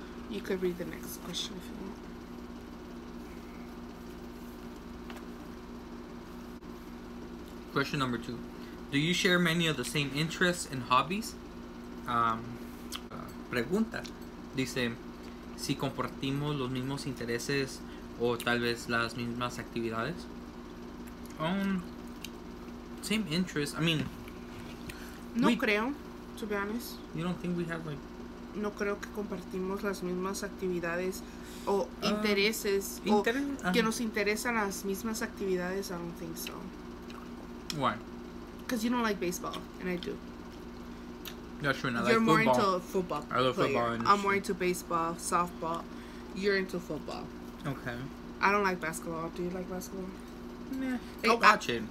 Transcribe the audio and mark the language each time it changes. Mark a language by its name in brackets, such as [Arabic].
[English] You could read the next question if you want. Question number 2. Do you share many of the same interests and hobbies? [Spanish] Pregunta. Dice, si compartimos los mismos intereses o tal vez las mismas actividades. [English] Same interests. I mean, [Spanish] no creo, [English] to be honest. You don't think we have like... [Spanish] No creo que compartimos las mismas actividades o intereses. Que nos interesan las mismas actividades, [English] I don't think so. Why? Because you don't like baseball, and I do. That's true, and I like football. You're more into football. I love football. I'm more into baseball, softball. You're into football. Okay. I don't like basketball. Do you like basketball? Nah. Like, I'll watch it.